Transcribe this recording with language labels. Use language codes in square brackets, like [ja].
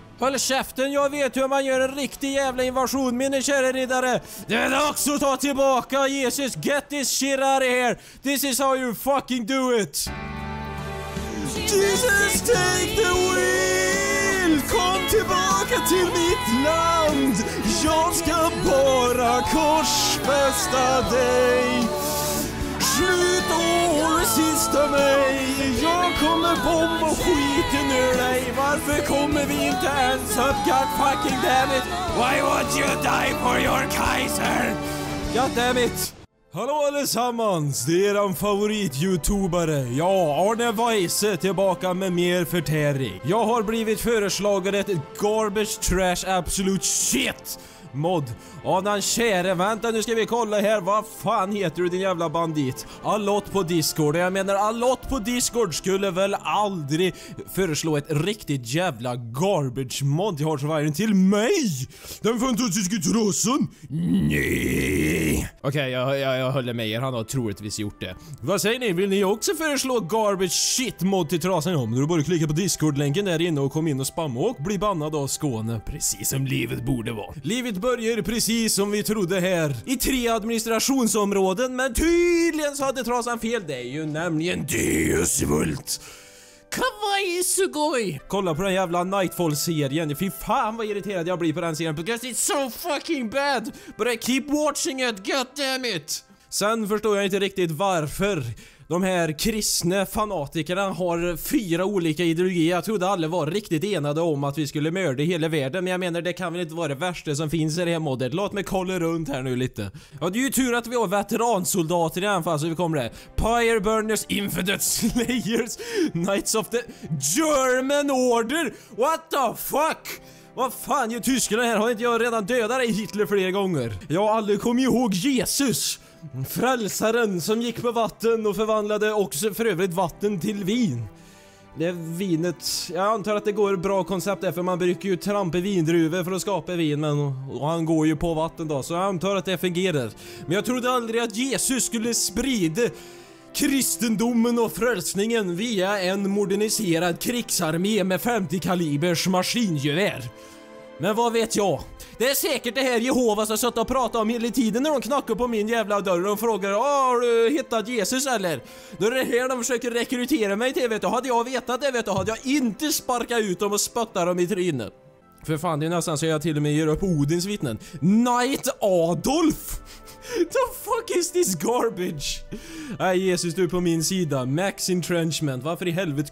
[sv] Håll käften, jag vet hur man gör en riktig jävla invasion, mina kära riddare. Det är dags att ta tillbaka Jesus. [en] Get this shit out of here. This is how you fucking do it. Jesus, take the wheel. [sv] Kom tillbaka till mitt land. Jag ska bara korsfästa dig. Slut och resista mig. Jag kommer bomba skiten ur dig. Varför kommer vi inte ens upp? [en] God fucking damn it. Why won't you die for your Kaiser? God damn it. [sv] Hallå allesammans, det är en favorit-youtubare. Ja, Arne Weise tillbaka med mer förtäring. Jag har blivit föreslagen ett [en] garbage trash absolute shit [sv] mod av den käre. Vänta, nu ska vi kolla här. Vad fan heter du, din jävla bandit? Alot på Discord. Jag menar, Alot på Discord skulle väl aldrig föreslå ett riktigt jävla garbage mod i Hardswiring till mig, den fantastiska trossen. Nej. Okej, okay, jag håller med er. Han har troligtvis gjort det. Vad säger ni? Vill ni också föreslå garbage shit mod till trossen? Om du bara klicka på Discord-länken där inne och kom in och spamma och bli bannad av Skåne. Precis som livet borde vara. Livet börjar precis som vi trodde här i tre administrationsområden, men tydligen så hade trasan fel. Det är ju nämligen Deus Vult. [ja] Kawaii sugoi. [sv] Kolla på den jävla Nightfall-serien. Fy fan vad irriterad jag blir på den serien. [en] Because it's so fucking bad. But I keep watching it, goddammit. [sv] Sen förstår jag inte riktigt varför de här kristna fanatikerna har fyra olika ideologier. Jag trodde alla var riktigt enade om att vi skulle mörda hela världen. Men jag menar, det kan väl inte vara det värsta som finns i det här modet. Låt mig kolla runt här nu lite. Ja, det är ju tur att vi har veteransoldater i alla fall, så vi kommer där. [en] Pyreburners, Infidel Slayers, Knights of the German Order. What the fuck? [sv] Vad fan, ju tyskarna här, har inte jag redan dödat Hitler flera gånger? Jag har aldrig kommit ihåg Jesus, frälsaren som gick på vatten och förvandlade också för övrigt vatten till vin. Det vinet, jag antar att det går bra koncept där, för man brukar ju trampa vindruvor för att skapa vin, men och han går ju på vatten då, så jag antar att det fungerar. Men jag trodde aldrig att Jesus skulle sprida kristendomen och frälsningen via en moderniserad krigsarmé med 50 kalibers maskingevär. Men vad vet jag? Det är säkert det här Jehova som satt och pratade om hela tiden när de knackar på min jävla dörr och frågar: har du hittat Jesus eller? Då är det här de försöker rekrytera mig till, vet du. Hade jag vetat det, vet du, hade jag inte sparkat ut dem och spöttat dem i trynet. För fan, det är nästan så jag till och med gör upp Odins vittnen. [en] Knight Adolf! The fuck is this garbage? [sv] Nej, Jesus, du är på min sida. Max Entrenchment, varför i helvete?